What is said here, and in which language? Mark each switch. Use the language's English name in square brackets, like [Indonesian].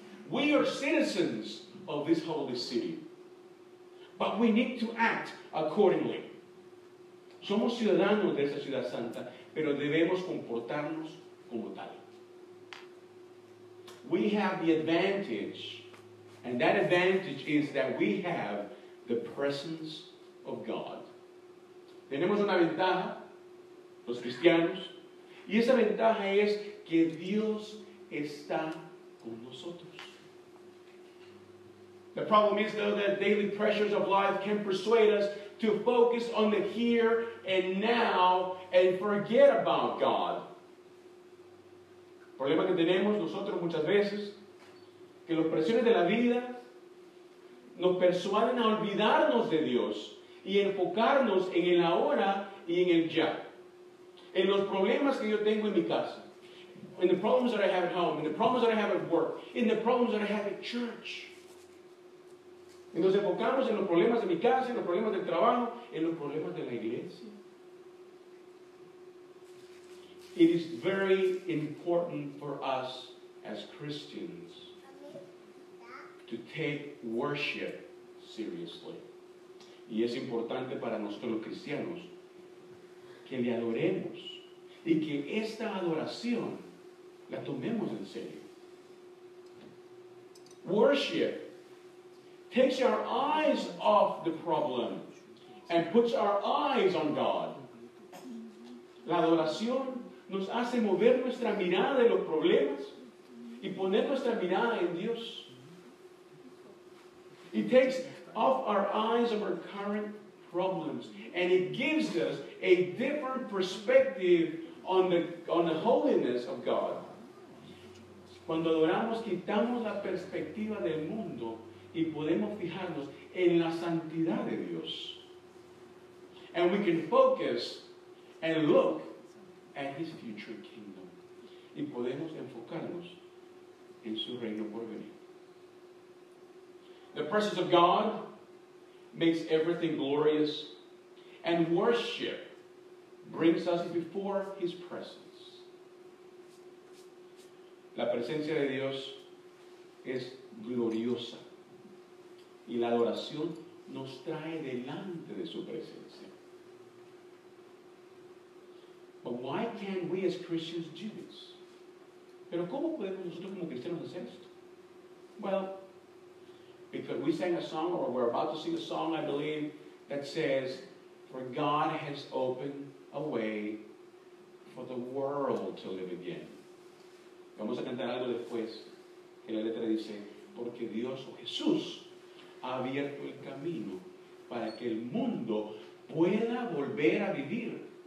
[English] We are citizens of this holy city, but we need to act accordingly. [Spanish] Somos ciudadanos de esta ciudad santa, pero debemos comportarnos como tal. [English] We have the advantage, and that advantage is that we have the presence of God. [Spanish] Tenemos una ventaja, los cristianos, y esa ventaja es que Dios está con nosotros. [English] The problem is, though, that daily pressures of life can persuade us to focus on the here and now and forget about God. [Spanish] El problema que tenemos nosotros muchas veces, que las presiones de la vida nos persuaden a olvidarnos de Dios y enfocarnos en el ahora y en el ya. En los problemas que yo tengo en mi casa, [English] in the problems that I have at home, in the problems that I have at work, in the problems that I have at church. [Spanish] Y nos enfocamos en los problemas de mi casa, en los problemas del trabajo, en los problemas de la iglesia. [English] It is very important for us as Christians to take worship seriously. [Spanish] Y es importante para nosotros los cristianos que le adoremos y que esta adoración la tomemos en serio. [English] Worship takes our eyes off the problem and puts our eyes on God. [Spanish] La adoración nos hace mover nuestra mirada de los problemas y poner nuestra mirada en Dios. [English] It takes off our eyes of our current problems and it gives us a different perspective on the holiness of God. [Spanish] Cuando adoramos, quitamos la perspectiva del mundo y podemos fijarnos en la santidad de Dios. [English] And we can focus and look at his future kingdom. [Spanish] Y podemos enfocarnos en su reino por venir. [English] The presence of God makes everything glorious, and worship brings us before His presence. [Spanish] La presencia de Dios es gloriosa, y la adoración nos trae delante de su presencia. [English] But why can't we as Christians do this? [Spanish] Pero ¿cómo podemos nosotros como cristianos hacer esto? [English] Well, because we sang a song, or we're about to sing a song, I believe, that says, for God has opened a way for the world to live again. [Spanish] Vamos a cantar algo después, que la letra dice, porque Dios o Jesús ha abierto el camino para que el mundo pueda volver a vivir.